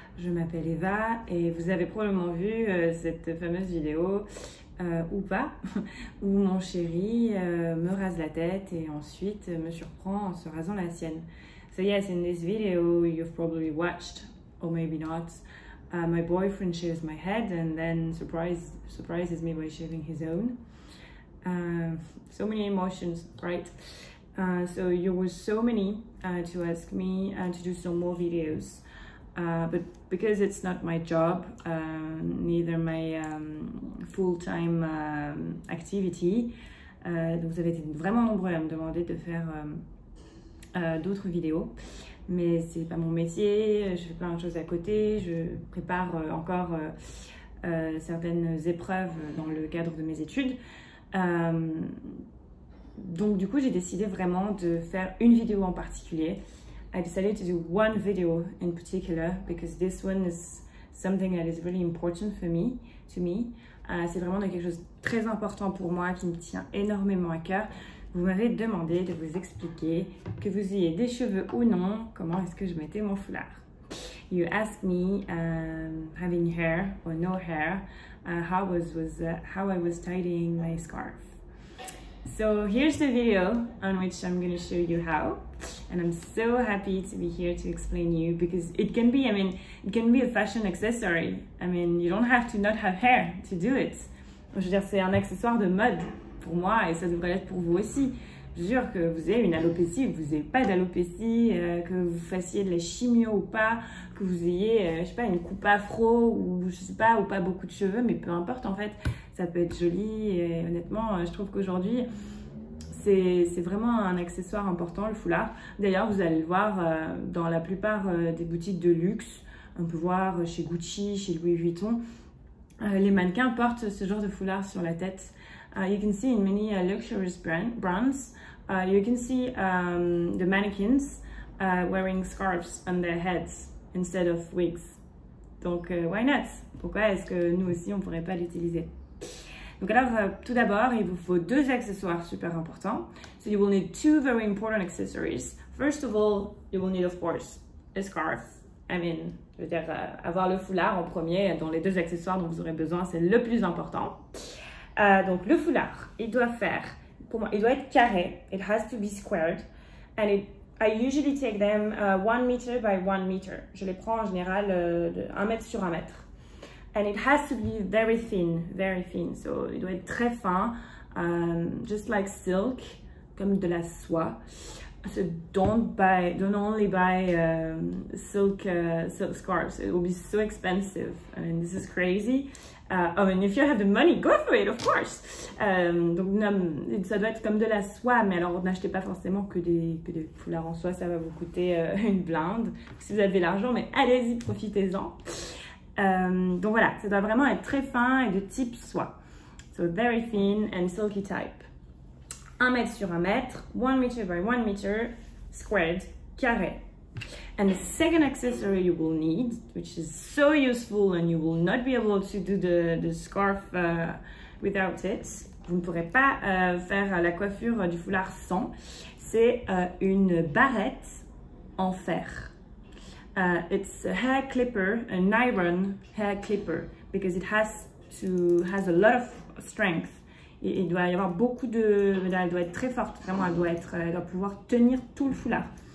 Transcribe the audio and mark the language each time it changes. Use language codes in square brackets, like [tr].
[fr] Je m'appelle Eva et vous avez probablement vu cette fameuse vidéo ou pas, où mon chéri me rase la tête et ensuite me surprend en se rasant la sienne. [en] So yes, in this video you've probably watched, or maybe not, my boyfriend shaves my head and then surprises me by shaving his own. So many emotions, right? So you were so many to ask me to do some more videos, but because it's not my job, neither my full-time activity, [fr] vous avez été vraiment nombreux à me demander de faire d'autres vidéos, mais c'est pas mon métier, je fais plein de choses à côté, je prépare encore certaines épreuves dans le cadre de mes études. Donc du coup, j'ai décidé vraiment de faire une vidéo en particulier. [en] I decided to do one video in particular because this one is something that is really important for me, to me. [fr] C'est vraiment quelque chose de très important pour moi qui me tient énormément à cœur. Vous m'avez demandé de vous expliquer que vous ayez des cheveux ou non, comment est-ce que je mettais mon foulard. [en] You asked me having hair or no hair, how I was tidying my scarf. So here's the video on which I'm going to show you how, and I'm so happy to be here to explain you because it can be a fashion accessory. I mean, you don't have to not have hair to do it. [fr] Je veux dire, c'est un accessoire de mode pour moi et ça devrait l'être pour vous aussi. Je jure que vous avez une alopécie ou vous n'avez pas d'alopécie, que vous fassiez de la chimio ou pas, que vous ayez, je sais pas, une coupe afro ou je sais pas, ou pas beaucoup de cheveux, mais peu importe en fait, ça peut être joli. Et honnêtement, je trouve qu'aujourd'hui, c'est vraiment un accessoire important, le foulard. D'ailleurs, vous allez le voir dans la plupart des boutiques de luxe, on peut voir chez Gucci, chez Louis Vuitton, les mannequins portent ce genre de foulard sur la tête. [en] You can see in many luxurious brands, you can see the mannequins wearing scarves on their heads instead of wigs. [fr] Donc, [en] why not? [fr] Pourquoi est-ce que nous aussi, on ne pourrait pas l'utiliser? Donc alors, tout d'abord, il vous faut deux accessoires super importants. [en] So you will need two very important accessories. First of all, you will need, of course, a scarf. I mean, [fr] je veux dire, avoir le foulard en premier, dont les deux accessoires dont vous aurez besoin, c'est le plus important. Donc le foulard, il doit faire, pour moi, il doit être carré. [en] It has to be squared. And I usually take them 1 meter by 1 meter. [fr] Je les prends en général de 1 mètre sur 1 mètre. [en] And it has to be very thin, very thin. So [fr] il doit être très fin, [en] just like silk, [fr] comme de la soie. [en] So don't only buy silk scarves. It will be so expensive. I mean, this is crazy. I mean, if you have the money, go for it, of course. [fr] Donc ça doit être comme de la soie, mais alors n'achetez pas forcément que des foulards en soie, ça va vous coûter une blinde si vous avez l'argent, mais allez-y, profitez-en. Donc voilà, ça doit vraiment être très fin et de type soie. [en] So very thin and silky type. [fr] 1 mètre sur 1 mètre, [en] 1 meter by 1 meter, squared, [fr] carré. [en] And the second accessory you will need, which is so useful and you will not be able to do the scarf without it, [fr] vous ne pourrez pas faire la coiffure du foulard sans, c'est une barrette en fer. [en] It's a hair clipper, an iron hair clipper, because it has a lot of strength. [fr] Il doit y avoir beaucoup de... Elle doit être très forte, vraiment, elle doit pouvoir tenir tout le foulard.